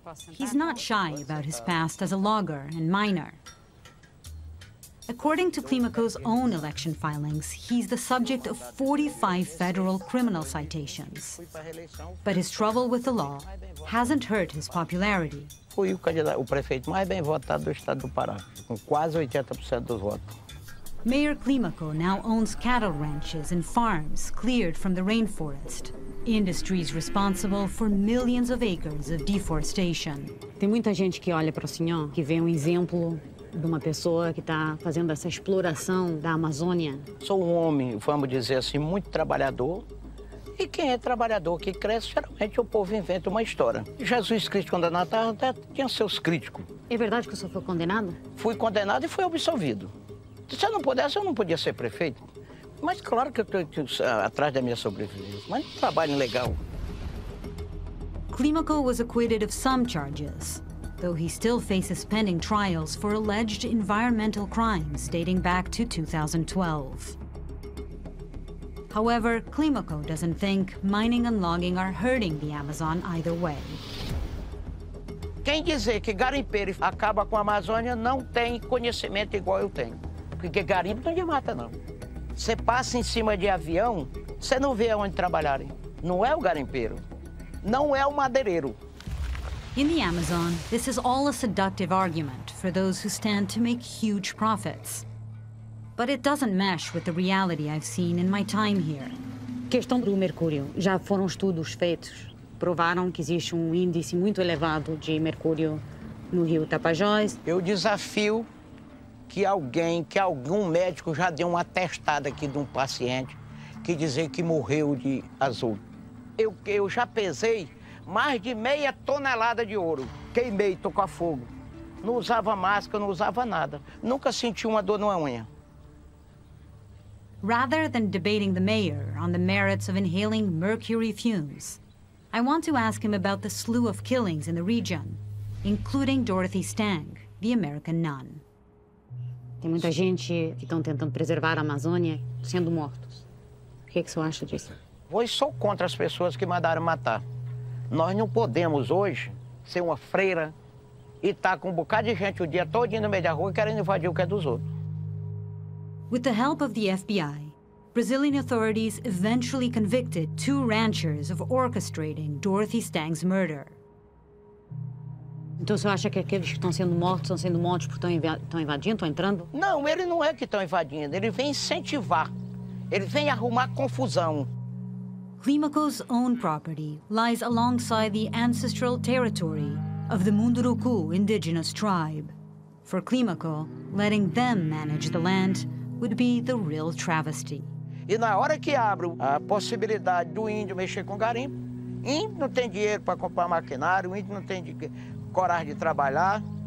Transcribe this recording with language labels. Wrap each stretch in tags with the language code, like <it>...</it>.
<en>He's not shy about his past as a logger and miner. According to Clímaco's own election filings, he's the subject of 45 federal criminal citations. But his trouble with the law hasn't hurt his popularity.</en> <pt>Fui o candidato, o prefeito mais bem votado do estado do Pará, com quase 80% dos votos.</pt> <en>Mayor Clímaco now owns cattle ranches and farms cleared from the rainforest, industries responsible for millions of acres of deforestation.</en> <pt>Tem muita gente que olha para o senhor, que vê um exemplo de uma pessoa que está fazendo essa exploração da Amazônia. Sou um homem, vamos dizer assim, muito trabalhador. E quem é trabalhador que cresce, geralmente o povo inventa uma história. Jesus Cristo, quando na Terra, até tinha seus críticos. É verdade que o senhor foi condenado? Fui condenado e fui absolvido. Se eu não pudesse, eu não podia ser prefeito. Mas claro que eu estou atrás da minha sobrevivência. Mas um trabalho legal.</pt> <en>Clímaco was acquitted of some charges, though he still faces pending trials for alleged environmental crimes dating back to 2012. However, Clímaco doesn't think mining and logging are hurting the Amazon either way.</en> <pt>Quem dizer que garimpeiro acaba com a Amazônia não tem conhecimento igual eu tenho. Porque garimpo não mata, não. Você passa em cima de avião, você não vê onde trabalharem. Não é o garimpeiro, não é o madeireiro.</pt> <en>In the Amazon, this is all a seductive argument for those who stand to make huge profits. But it doesn't mesh with the reality I've seen in my time here.</en> <pt>Questão do mercúrio. Já foram estudos feitos, provaram que existe um índice muito elevado de mercúrio no rio Tapajós. Eu desafio que alguém, que algum médico já deu um atestado aqui de um paciente que dizer que morreu de azul. Eu já pesei mais de meia tonelada de ouro. Queimei, tocou a fogo. Não usava máscara, não usava nada. Nunca senti uma dor na unha.</pt> <en>Rather than debating the mayor on the merits of inhaling mercury fumes, I want to ask him about the slew of killings in the region, including Dorothy Stang, the American nun.</en> <pt>Tem muita gente que estão tentando preservar a Amazônia sendo mortos. O que é que você acha disso? Vou só contra as pessoas que mandaram matar. Nós não podemos hoje ser uma freira e estar com um bocado de gente o dia todo indo no meio da rua querendo invadir o que é dos outros.</pt> <en>With the help of the FBI, Brazilian authorities eventually convicted two ranchers of orchestrating Dorothy Stang's murder.</en> <pt>Então você acha que aqueles que estão sendo mortos porque estão invadindo, estão entrando? Não, ele não é que estão invadindo, ele vem incentivar, ele vem arrumar confusão.</pt> <en>Clímaco's own property lies alongside the ancestral territory of the Munduruku indigenous tribe. For Clímaco, letting them manage the land would be the real travesty.</en> <pt>E na hora que abre a possibilidade do índio mexer com garimpo, índio não tem dinheiro para comprar maquinário, índio não tem coragem de trabalhar.</pt>